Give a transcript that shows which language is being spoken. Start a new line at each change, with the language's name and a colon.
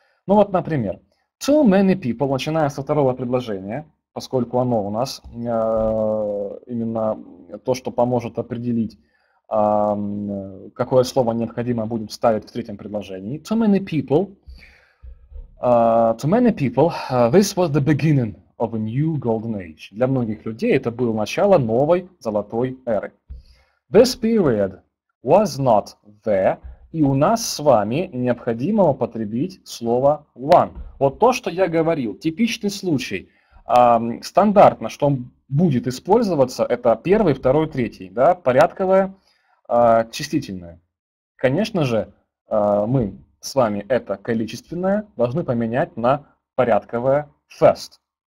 Russian: Ну вот, например,
English: Too many people,
Russian: начиная со второго предложения, поскольку оно у нас именно то, что поможет определить, какое слово необходимо будет вставить в третьем предложении.
English: Too many people. Too many people. This was the beginning of a new golden age.
Russian: Для многих людей это было начало новой золотой эры.
English: This period was not there.
Russian: И у нас с вами необходимо употребить слово one. Вот то, что я говорил. Типичный случай. Стандартно, что будет использоваться, это первый, второй, третий, да, порядковое, числительное. Конечно же, мы с вами это количественное должны поменять на порядковое first.